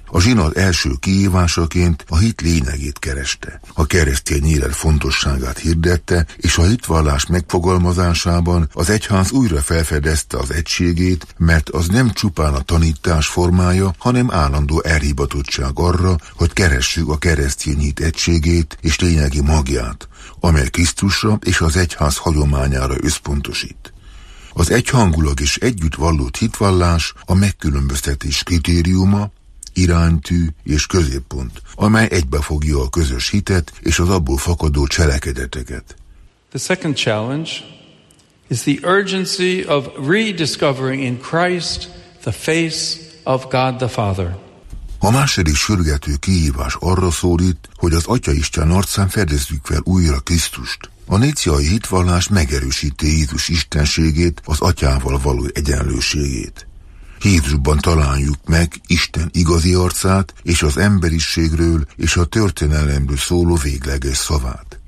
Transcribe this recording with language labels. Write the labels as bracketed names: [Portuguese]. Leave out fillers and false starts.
[Hungarian] A zsinat első kihívásaként a hit lényegét kereste, a keresztény élet fontosságát hirdette, és a hitvallás megfogalmazásában az egyház újra felfedezte az egységét, mert az nem csupán a tanítás formája, hanem állandó elhivatottság arra, hogy keressük a keresztény hit egységét és lényegi magját, amely Krisztusra és az egyház hagyományára összpontosít. Az egyhangulag és együtt vallott hitvallás a megkülönböztetés kritériuma, iránytű és középpont, amely egybefogja a közös hitet és az abból fakadó cselekedeteket. [English] The second challenge is the urgency of rediscovering in Christ the face of God the Father. [Hungarian] A második sürgető kihívás arra szólít, hogy az Atyaisten arcán fedezzük fel újra Krisztust. A níciai hitvallás megerősíti Jézus istenségét, az Atyával való egyenlőségét. Jézusban találjuk meg Isten igazi arcát és az emberiségről és a történelemről szóló végleges szavát.